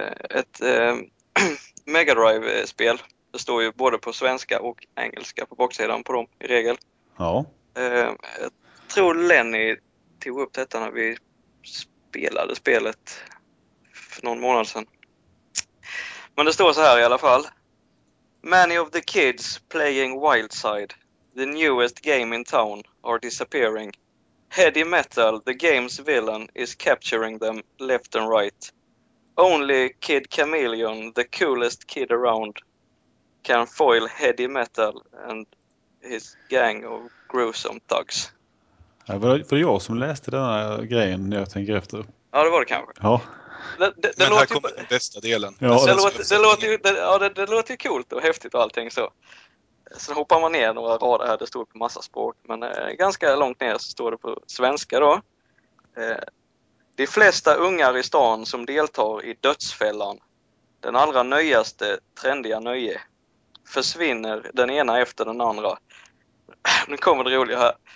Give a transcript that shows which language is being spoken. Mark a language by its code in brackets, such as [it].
[sv] Ett Mega Drive-spel. Det står ju både på svenska och engelska på baksidan på dem i regel. Ja. Jag tror Lenny tog upp detta när vi spelade spelet för någon månad sedan. Men det står så här i alla fall. [en] Many of the kids playing Wildside, the newest game in town, are disappearing. Heady Metal, the game's villain, is capturing them left and right. Only Kid Chameleon, the coolest kid around, can foil Heady Metal and his gang of gruesome thugs. [sv] Ja, var det jag som läste den här grejen när jag tänker efter? Ja, det var det kanske. Ja. Men här kommer den bästa delen. Det låter ju coolt och häftigt och allting så. Sen hoppar man ner några rader här, det står på massa språk. Men ganska långt ner så står det på svenska då. De flesta ungar i stan som deltar i dödsfällan, den allra nöjaste trendiga nöje, försvinner den ena efter den andra. Nu kommer det roliga här.